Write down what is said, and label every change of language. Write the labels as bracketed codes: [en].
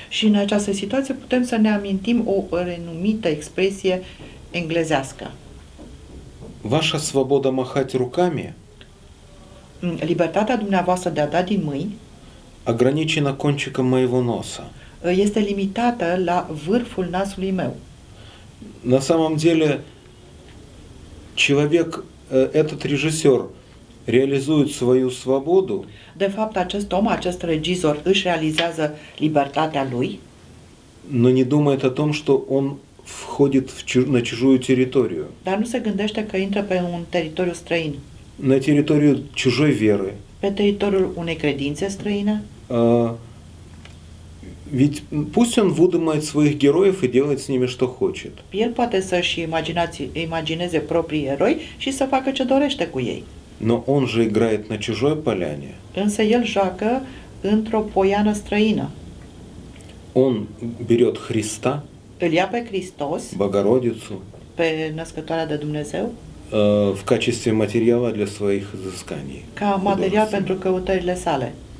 [ro] Și în această situație putem să ne amintim o renumită expresie englezească. [ru] Ваша свобода махать руками, [ro] либертатea dumneavoastră de a da din mâini, [ru] ограничена кончиком моего носа. [ro] este limitată la vârful nasului meu. [ru] На самом деле человек, этот режиссер, реализует свою свободу. [ro] De fapt, acest om, acest regizor, își realizează libertatea lui. [ru] Но не думает о том, что он входит на чужую территорию. [ro] Dar nu se gândește că intră pe un teritoriu străin. [ru] На территорию чужой веры. [ro] Pe teritoriul unei credințe străine. [ru] Ведь пусть он выдумает своих героев и делает с ними что хочет. [ro] El poate să-și imagineze proprii eroi și să facă ce dorește cu ei. [ru] Но он же играет на чужой поляне. [ro] Însă el joacă într-o poiană străină. [ru] Он берет Христа. [ro] Îl ia pe Hristos. [ru] Богородицу. [ro] Pe Născătoarea de Dumnezeu. [ru] В качестве материала для своих изысканий. [ro] Ca material pentru căutările sale.